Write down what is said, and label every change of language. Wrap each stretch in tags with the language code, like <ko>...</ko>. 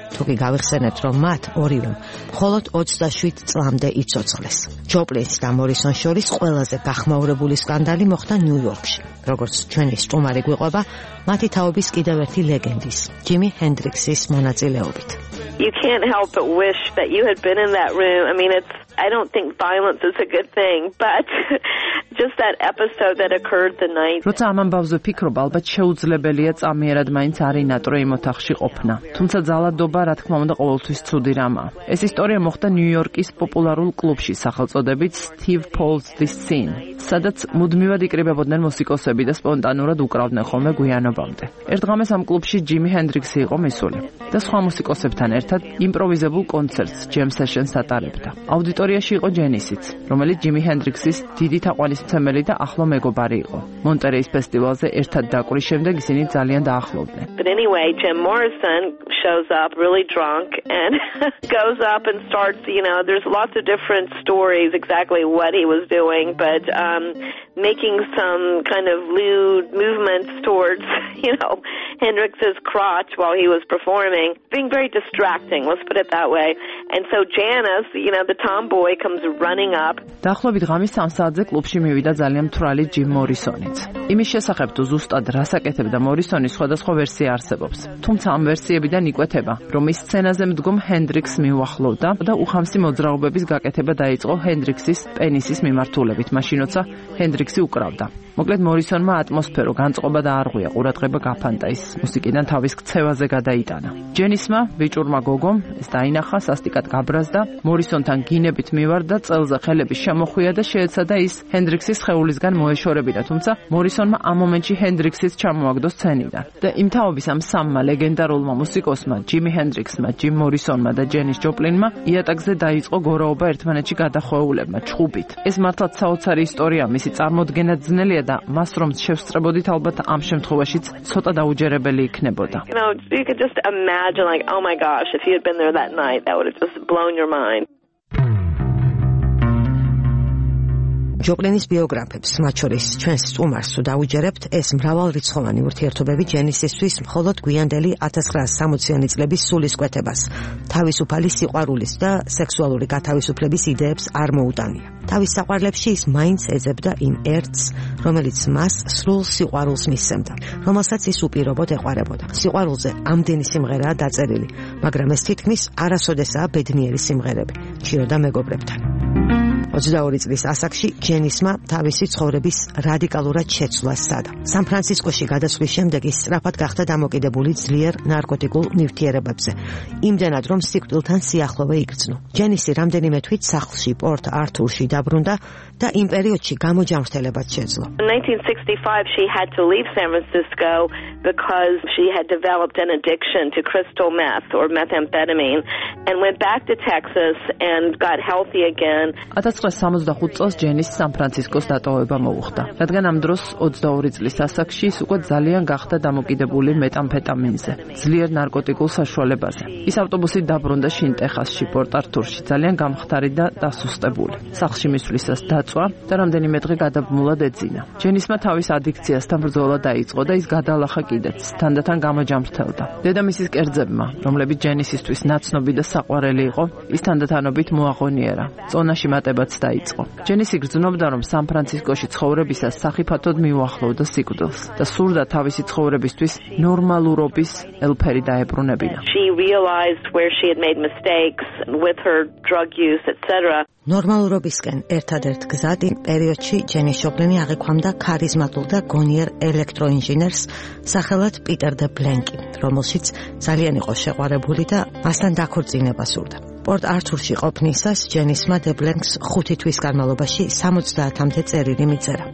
<ka>თუკი გავიხსენეთ, რომ მათ ორივემ მხოლოდ 27 წლამდე იცოცხლეს. ჯოპლინს და მორისონ შორის ყველაზე გახმაურებული სკანდალი მოხდა ნიუ-იორკში, როგორც ჩვენი სტუმარი გვიყვება მათი თაობის კიდევ ერთი ლეგენდის, ჯიმი ჰენდრიქსის მონაწილეობით.</ka> <en>You can't help but wish that you had been in that room. I don't think violence is a good thing, but just that episode that occurred the night.</en> <ka>როცა ამ ამბავზე ფიქრობ, ალბათ შეუძლებელია წამიერად მაინც არინატრო იმ ოთახში ყოფნა. თუმცა ძალადობა, რა თქმა უნდა, ყოველთვის ცუდი რამაა. ეს ისტორია მოხდა ნიუ-იორკის პოპულარულ კლუბში, სახელწოდებით Steve Paul's The Scene, სადაც მუდმივად იყრებოდნენ მუსიკოსები და სპონტანურად უკრავდნენ ხოლმე გვიანობამდე. ერთღამე სამ კლუბში ჯიმი ჰენდრიქსი იყო მისული და სხვა მუსიკოსებთან ერთად იმპროვიზებულ კონცერტს, jam session-ს ატარებდა. აუდიტორიაში იყო ჯენისიც, რომელიც ჯიმი ჰენდრიქსის დიდი თაყვანისმცემელი და ახლო მეგობარი იყო. მონტერეის ფესტივალზე ერთად დაკვრის შემდეგ ისინი ძალიან დაახლოვდნენ.</ka> <en>But anyway, Jim Morrison shows up really drunk and goes up and starts, you know, there's lots of different stories exactly what he was doing, but making some kind of lewd movements towards, you know, Hendrix's crotch while he was performing, being very distracting, let's put it that way. And so Janice, you know, the tomboy comes running up.</en> <ka>დახლობით ღამის 3 საათზე კლუბში მივიდა ძალიან მთვრალი ჯიმ მორისონიც. იმის შესახებ თუ ზუსტად რას აკეთებდა მორისონი, სხვადასხვა ვერსია არსებობს. თუმცა ამ ვერსიებიდან იკვეთება, რომ ის სცენაზე მდგომ ჰენდრიქსს მიუახლოვდა და უხამსი მოძრაობების გაკეთება დაიწყო ჰენდრიქსის პენისის მიმართულებით, მაშინ როცა ჰენდრიქსი უკრავდა. მოკლედ მორისონმა ატმოსფერო განწყობა და არღვია ყურადღება გაფანტა ის მუსიკიდან თავის ქცევაზე გადაიტანა. ჯენისმა, ბიჭურმა გოგომ ეს დაინახა, სასტიკად გაბრაზდა, მორისონთან გინებით მივარდა, წელზე ხელები შემოხვია და შეეცადა ის ჰენდრიქსის ხეულისგან მოეშორებინა, თუმცა მორისონმა ამ მომენტში ჰენდრიქსის ჩამოაგდო სცენიდან. და იმ თაობის ამ სამმა ლეგენდარულმა მუსიკოსმა, ჯიმი ჰენდრიქსმა, ჯიმ მორისონმა და ჯენის ჯოპლინმა, იატაკზე დაიწყო გორაობა ერთმანეთში გადახვეულებმა ჩხუბით. ეს მართლაც საოცარი ისტორია, მისი წარმოდგენა ძნელი და მას რომ შევსწრებოდით ალბათ ამ შემთხვევაშიც ცოტა დაუჯერებელი იქნებოდა.</ka> <en>You could just imagine like oh my gosh if you had been there that night that would have just blown your mind.</en> <ka>ჯოპლინის ბიოგრაფებს, მათ შორის ჩვენს სტუმარს თუ დაუჯერებთ, ეს მრავალრიცხოვანი ურთიერთობები ჯენისისთვის მხოლოდ გვიანდელი 1960-იანი წლების სულისკვეთებას, თავისუფალი სიყვარულის და სექსუალური გათავისუფლების იდეებს არ მოუტანია. თავის საყვარლებში ის მაინც ეძებდა იმ ერთს, რომელიც მას სრულ სიყვარულს მისცემდა, რომელსაც ის უპირობოდ ეყარებოდა. სიყვარულზე ამდენი სიმღერაა დაწერილი, მაგრამ ეს თითქმის არასოდესაა ბედნიერი სიმღერები, ჩიო და მეგობრებთან. 22 წლის ასაკში ჯენისმა თავისი ცხოვრების რადიკალურად შეცვლა სცადა. სან-ფრანცისკოში გადასვლის შემდეგ ის სწრაფად გახდა დამოკიდებული ძლიერ ნარკოტიკულ ნივთიერებებზე, იმდენად რომ სიკვდილთან სიახლოვე იგრძნო. ჯენისი რამდენიმე თვით სახლში პორტ ართურში დაბრუნდა და იმ პერიოდში გამოჯანმრთელებაც შეძლო.</ka> <en>In 1965 she had to leave San Francisco because she had developed an addiction to crystal meth or methamphetamine and went back to Texas and got healthy again.</en> <ka>1965 წელს ჯენის სან-ფრანცისკოს დატოვება მოუხდა, რადგან ამ დროს 22 წლის ასაკში ის უკვე ძალიან გახდა დამოკიდებული მეტამფეტამინზე, ძლიერ ნარკოტიკულ საშუალებაზე. ის ავტობუსით დაბრუნდა შინტეხასში, პორტ-ართურში, ძალიან გამხდარი და დასუსტებული. სახლში მისვლისას დაწვა და რამდენიმე დღე გადაბმულად ეძინა. ჯენისმა თავის ადიქციასთან ბრძოლა დაიწყო და ის გადალახა კიდეც, თანდათან გამოჯანმრთელდა. დედამისის კერძებმა, რომლებიც ჯენისისთვის ნაცნობი და საყვარელი იყო, ის თანდათანობით მოაღონიერა. წონაში მატებაც დაიწყო. ჯენისი გრძნობდა, რომ სან-ფრანცისკოში ცხოვრებისას სახიფათოდ მიუახლოვდა სიკვდილს და სურდა თავისი ცხოვრებისთვის ნორმალურობის ელფერი დაებრუნებინა.</ka> <en>She realized where she had made mistakes with her drug use, etc.</en> <ka>ნორმალურობისკენ ერთადერთ გზად იმ პერიოდში ჯენის ჯოპლინი აღიქვამდა ქარიზმატულ და გონიერ ელექტროინჟინერს სახელად პიტერ დე ბლენკი, რომელშიც ძალიან იყო შეყვარებული და მასთან დაქორწინება სურდა. პორტ ართურში ყოფნისას ჯენისმა დე ბლენკს 5 თვის განმავლობაში 70-მდე წერილი მიწერა.</ka>